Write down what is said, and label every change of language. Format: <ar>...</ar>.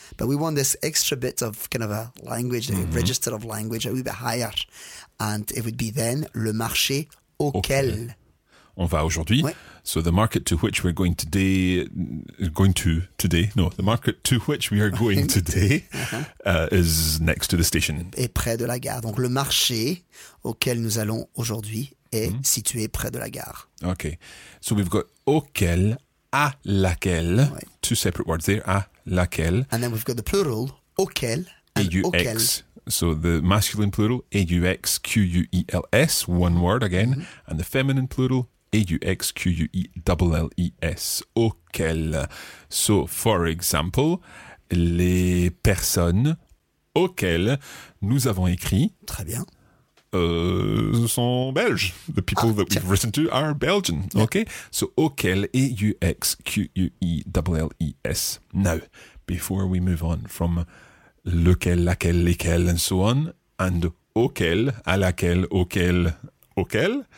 <en>But we want this extra bit of kind of a language, a register of language, a wee bit higher. And it would be then,</en> <fr>le marché auquel. On va aujourd'hui. Oui.</fr> <en>So the market to which we're going today, the market to which we are going today is next to the station.</en> <fr>Et près de la gare. Donc le marché auquel nous allons aujourd'hui est situé près de la gare.</fr> <en>Okay. So we've got auquel, à laquelle, two separate words there, à laquelle. And then we've got the plural, auquel, and A-U-X.</en> <fr>Auquel.</fr> <en>So the masculine plural, A-U-X-Q-U-E-L-S, one word again, and the feminine plural, A-U-X-Q-U-E-L-L-E-S. Auxquelles. So, for example,</en> <fr>les personnes auxquelles nous avons écrit. Très bien. Sont belges.</fr> <en>The people that we've written to are Belgian. Yeah. Okay. So, auxquelles, A-U-X-Q-U-E-L-L-E-S. Now, before we move on from lequel, laquelle, lesquelles, and so on, and auxquelles, à laquelle, auxquelles, auquel?</en>